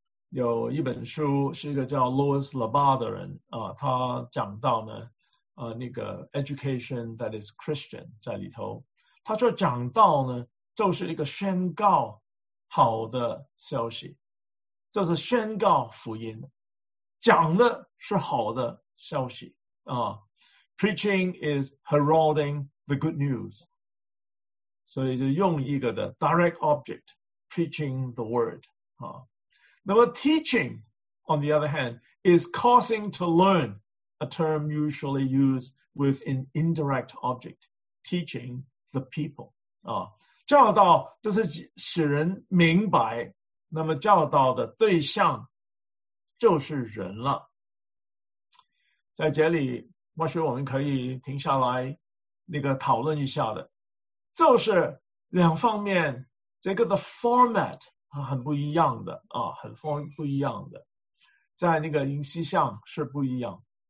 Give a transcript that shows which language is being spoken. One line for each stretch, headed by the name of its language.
Chinese: 有一本书是一个叫 Louis Labar 的人啊，他讲到呢，那个
English: Education that is Christian
Chinese: 在里头，他说讲道呢就是一个宣告好的消息，就是宣告福音，讲的是好的消息啊。
English: Preaching is heralding the good news。
Chinese: 所以就用一个的
English: direct object, preaching the word,
Chinese: 啊。那么
English: teaching, on the other hand, is causing to learn, a term usually used with an indirect object, teaching the people, 啊。
Chinese: 教导就是使人明白，那么教导的对象就是人了。在这里，或许我们可以停下来那个讨论一下的。就是两方面，这个的 format 很不一样的啊，很不一样的，在那个音希像是不一样。